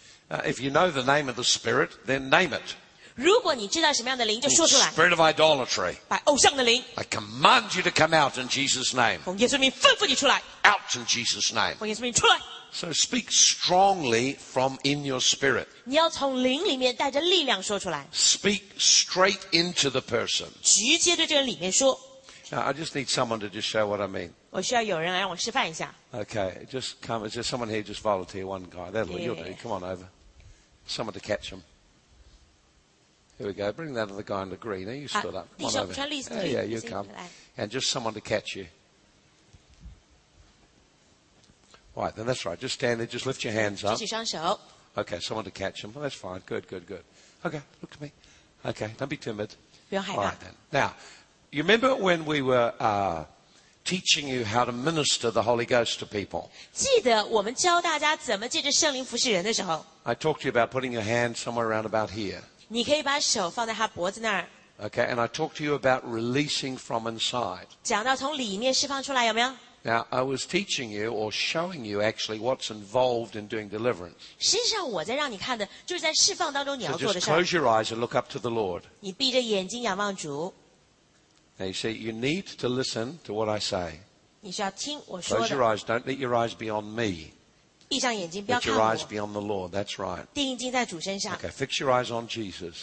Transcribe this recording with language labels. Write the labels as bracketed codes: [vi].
[en] If you know the name of the spirit, then name it. [zh] 如果你知道什么样的灵，就说出来。 [en] Spirit of idolatry. [zh] 把偶像的灵。 [en] I command you to come out in Jesus' name. [zh] 奉耶稣名吩咐你出来。 [en] Out in Jesus' name. [zh] 奉耶稣名出来。 [en] So speak strongly from in your spirit. [zh] 你要从灵里面带着力量说出来。 [en] Speak straight into the person. [zh] 直接对这个里面说。 [en] Now, I just need someone to just show what I mean. [zh] 我需要有人来让我示范一下。 [en] Okay, just come. Is there someone here? Just volunteer one guy. That'll you'll do. Come on over. Someone to catch him. Here we go. Bring that other guy in the green. Are you stood up? Come on over. [zh] 穿绿色的。 [en] Yeah, you come. And just someone to catch you. Right, then that's right. Just stand there. Just lift your hands up. [zh] 举起双手。 [en] Okay, someone to catch him. Well, that's fine. Good, good, good. Okay, look to me. Okay, don't be timid. [zh] 不用害怕。 [en] All right, then. Now, you remember when we were teaching you how to minister the Holy Ghost to people? [zh] 记得我们教大家怎么借着圣灵服侍人的时候。 [en] I talked to you about putting your hand somewhere around about here. [zh] 你可以把手放在他脖子那儿。 [en] Okay, and I talked to you about releasing from inside. [zh] 讲到从里面释放出来，有没有？ [en] Now, I was teaching you or showing you actually what's involved in doing deliverance. [zh] 实际上我在让你看的就是在释放当中你要做的事。 [en] So just close your eyes and look up to the Lord. [zh] 你闭着眼睛仰望主。 [en] Now you see, you need to listen to what I say. [zh] 你需要听我说 [en] 的。Close your eyes, don't let your eyes be on me. [zh] 闭上眼睛不要看我。 [en] Let your eyes be on the Lord, that's right. [zh] 定睛在主身上。 [en] Okay, fix your eyes on Jesus.